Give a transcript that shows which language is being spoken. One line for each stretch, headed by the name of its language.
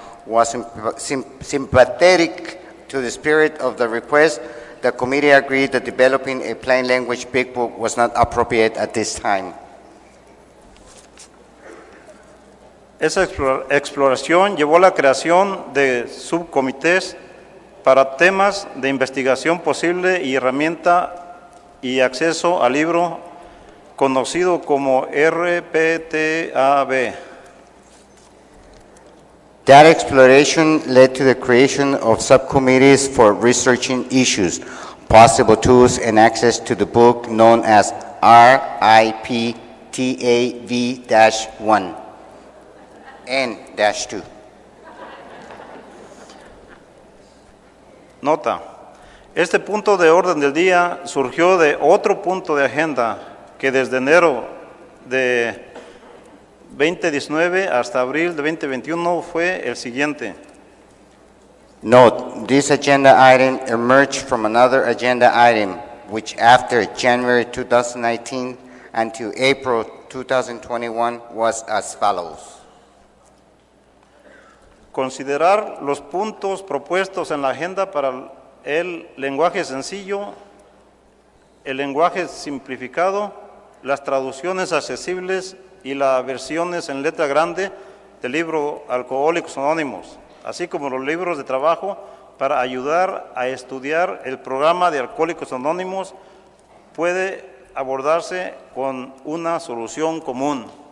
English: Was sympathetic to the spirit of the request, the committee agreed that developing a plain language Big Book was not appropriate at this time.
Spanish: Esa exploración llevó a la creación de subcomités para temas de investigación posible y herramienta y acceso al libro conocido como RPTAB.
English: That exploration led to the creation of subcommittees for researching issues, possible tools and access to the book known as RIPTAV-1 N-2.
Spanish: Nota, este punto de orden del día surgió de otro punto de agenda que desde enero de 2019 hasta abril de 2021 fue el siguiente.
English: Note, this agenda item emerged from another agenda item, which after January 2019 until April 2021 was as follows.
Spanish: Considerar los puntos propuestos en la agenda para el lenguaje sencillo, el lenguaje simplificado, las traducciones accesibles y las versiones en letra grande del libro Alcohólicos Anónimos, así como los libros de trabajo para ayudar a estudiar el programa de Alcohólicos Anónimos, puede abordarse con una solución común.